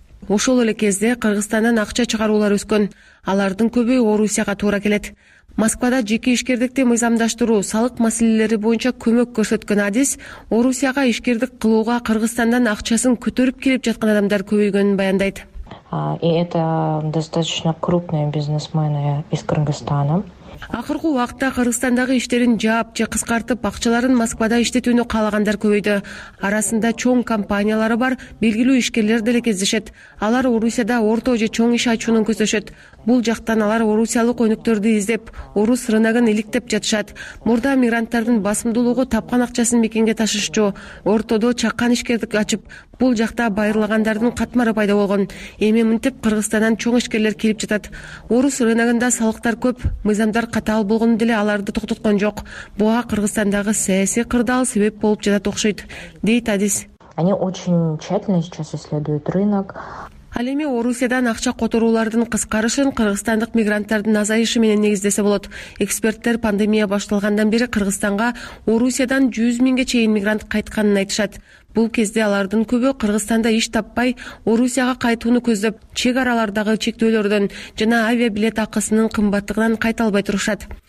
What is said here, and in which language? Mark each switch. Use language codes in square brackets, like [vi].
[ky] Ошол эле кезде Кыргызстандан акча чыгаруулар өскөн, алардын көбү Орусияга туура келет. Москвада жеке ишкердикти мыйзамдаштыруу, салык маселелери боюнча көмөк көрсөткөн адис Орусияга ишкердик кылууга Кыргызстандан акчасын көтөрүп келип жаткан адамдар көбөйгөнүн баяндайт. [ru] И это достаточно крупные бизнесмены из Кыргызстана. [ky] Акыркы убакта Кыргызстандагы иштерин жаап же кыскартып акчаларын Москвада иштетүүнү каалагандар көбөйдү. Арасында чоң компаниялары бар, белгилүү ишкерлер деле кездешет. Алар Орусияда орто же чоң иш ачууну көздөшөт. Бул жактан алар орусиялык өнүктөрдү издеп, орус рыногун иликтеп жатышат. Мурда мигранттардын басымдуулугу тапкан акчасын мекенге ташышчу. Ортодо чакан ишкердик ачып, бул жакта байырлагандардын катмары пайда болгон. Эми мынтип Кыргызстандан чоң ишкерлер келип жатат. Орус рыногунда салыктар көп, мыйзамдар катаал болгону деле аларды токтоткон жок. Буга Кыргызстандагы саясий кырдаал себеп болуп жатат окшойт, дейт адис. [ru] Они очень тщательно сейчас исследуют рынок. [ky] Ал эми Орусиядан акча которуулардын кыскарышын кыргызстандык мигранттардын азайышы менен негиздесе болот. Эксперттер пандемия башталгандан бери Кыргызстанга Орусиядан 100 000 чейин мигрант кайтканын айтышат. Бул кезде алардын көбү Кыргызстанда иш таппай, Орусияга кайтууну көздөп, чек аралардагы чектөөлөрдөн жана авиабилет акысынын кымбаттыгынан кайта албай турушат.